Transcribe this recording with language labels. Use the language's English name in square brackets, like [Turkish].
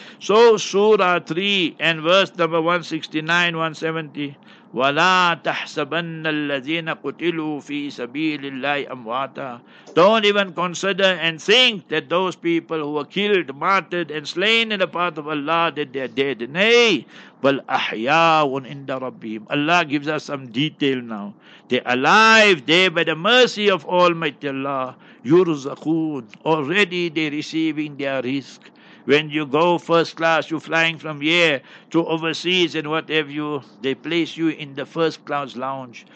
[English] So Surah 3 and verse number 169, 170. [Arabic] وَلَا تَحْسَبَنَّ الَّذِينَ قُتِلُوا فِي سَبِيلِ اللَّهِ أَمْوَاتًا. [English] Don't even consider and think that those people who were killed, martyred and slain in the path of Allah, that they are dead. [Arabic] Nay, بَلْ أَحْيَاهُنْ إِنْدَ رَبِّهِمْ. [English] Allah gives us some detail now. They're alive there by the mercy of Almighty Allah. [Arabic] يُرْزَقُونَ. [English] Already they're receiving their risk. When you go first class, you're flying from here to overseas and what have you, they place you in the first class lounge.